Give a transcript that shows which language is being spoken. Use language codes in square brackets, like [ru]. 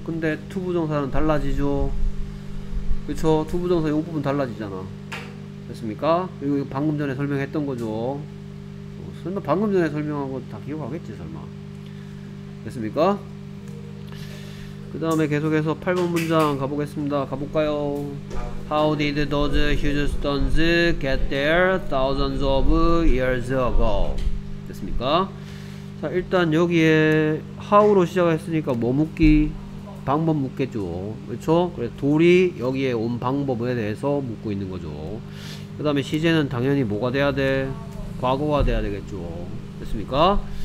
[ko] 근데 to 부정사는 달라지죠. 그쵸? to 부정사 이 부분 달라지잖아. 됐습니까? 그리고 방금 전에 설명했던 거죠. 설마 방금 전에 설명한 거 다 기억하겠지 설마. 됐습니까? 그 다음에 계속해서 8번 문장 가보겠습니다. 가볼까요? [en] How did those huge stones get there thousands of years ago? [ko] 됐습니까? 자 일단 여기에 how로 시작했으니까 뭐 묻기? 방법 묻겠죠. 그렇죠? 그래서 돌이 여기에 온 방법에 대해서 묻고 있는 거죠. 그 다음에 시제는 당연히 뭐가 돼야 돼? 과거가 돼야 되겠죠. 됐습니까?